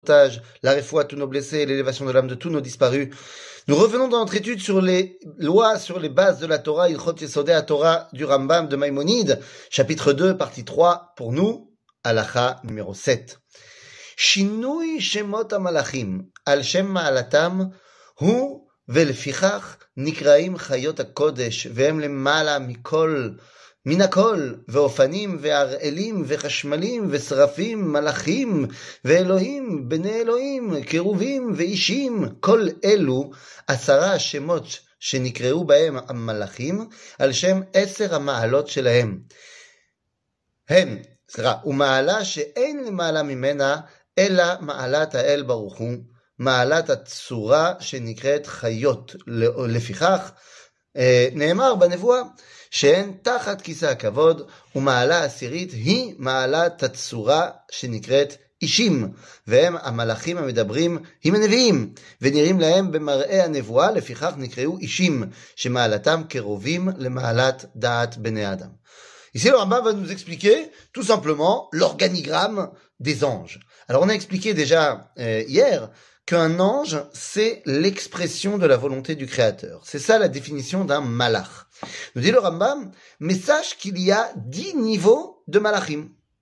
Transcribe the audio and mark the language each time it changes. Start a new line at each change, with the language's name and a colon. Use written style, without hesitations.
French: partage la réfoua à tous nos blessés et l'élévation de l'âme de tous nos disparus. Nous revenons dans notre étude sur les lois, sur les bases de la Torah, Hilchot Yesodei HaTorah du Rambam de Maïmonide, chapitre 2, partie 3, pour nous, halakha numéro 7.
Hebrew: Shinui Shemot HaMalachim al Shem Ma'alatam hu velfichach nikraim chayot ha-kodesh vehem lemala mikol מן הכל, ואופנים, והרעלים, וחשמלים, ושרפים, מלאכים, ואלוהים, בני אלוהים, קירובים, ואישים, כל אלו, 10 שמות שנקראו בהם המלאכים, על שם 10 המעלות שלהם. הם, סליחה, ומעלה שאין למעלה ממנה, אלא מעלת האל ברוך הוא, מעלת הצורה שנקראת חיות. לפיכך, נאמר בנבואה, שאין תחת כיסא הכבוד, ומעלה עשירית היא מעלת הצורה שנקראת אישים, והם המלאכים המדברים עם הנביאים, ונראים להם במראה הנבואה, לפיכך נקראו אישים, שמעלתם קרובים למעלת דעת בני אדם.
French: Ici, le Rambam va nous expliquer, tout simplement, l'organigramme des anges. Alors, on a expliqué déjà hier qu'un ange, c'est l'expression de la volonté du Créateur. C'est ça la définition d'un malach. Nous dit le Rambam, mais sache qu'il y a 10 niveaux de malachim.